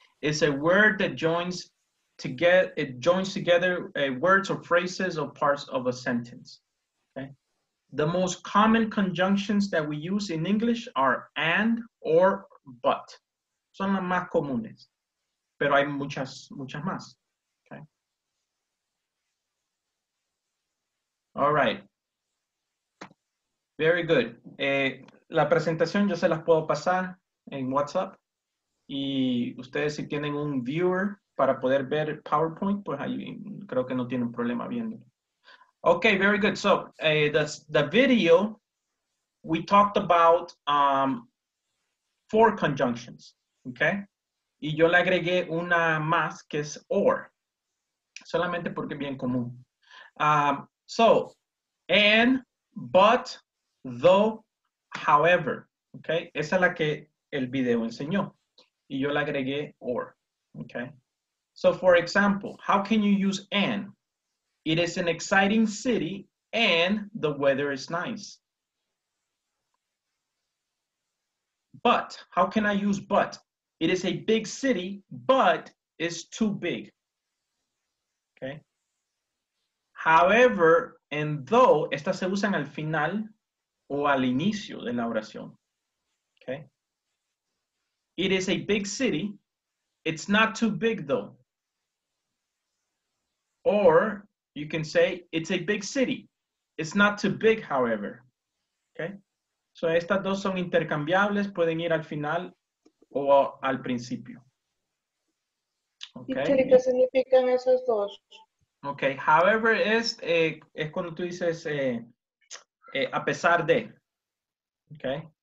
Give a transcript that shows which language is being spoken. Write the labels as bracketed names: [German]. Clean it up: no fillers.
[English] It's a word that joins together words or phrases or parts of a sentence. Okay. The most common conjunctions that we use in English are and or but. [Spanish] Son las más comunes, pero hay muchas más. Okay. [English] All right. Very good. [Spanish] La presentación yo se las puedo pasar en WhatsApp. Y ustedes si tienen un viewer para poder ver PowerPoint, pues ahí creo que no tienen problema viéndolo. [English] Okay, very good. So, the video, we talked about four conjunctions, okay? [Spanish] Y yo le agregué una más que es or. Solamente porque es bien común. So, and, but, though, however, okay, esa es la que el video enseñó, y yo la agregué or, okay. [English] So for example, how can you use and? It is an exciting city and the weather is nice. But, how can I use but? It is a big city, but it's too big, okay. [Spanish] However, and though, estas se usan al final, o al inicio de la oración, okay? [English] It is a big city, it's not too big though. Or you can say, it's a big city, it's not too big however, okay? [Spanish] So estas dos son intercambiables, pueden ir al final o al principio. Okay? ¿Y qué significan esas dos? Okay, however es cuando tú dices, a pesar de. Okay.